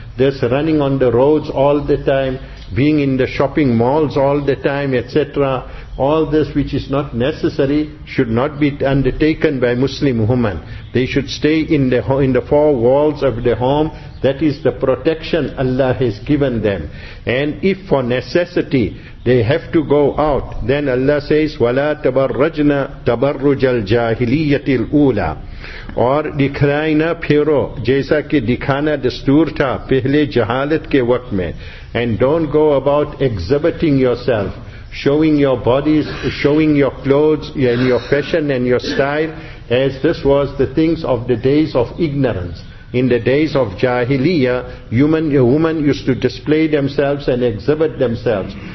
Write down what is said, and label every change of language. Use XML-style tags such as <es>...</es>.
<en>Thus running on the roads all the time, being in the shopping malls all the time, etc., all this which is not necessary should not be undertaken by Muslim women. They should stay in the four walls of the home. That is the protection Allah has given them. And if for necessity they have to go out, then Allah says,</en> <ar>وَلَا تَبَرَّجْنَا تَبَرُّجَ الْجَاهِلِيَّةِ الْأُولَىٰ</ar> <ur>اور دکھلائنا پھرو جیسا کہ دکھانا دستور تھا پہلے جہالت کے وقت میں.</ur> <en>And don't go about exhibiting yourself, showing your bodies, showing your clothes and your fashion and your style, as this was the things of the days of ignorance. In the days of Jahiliyyah, women used to display themselves and exhibit themselves.</en>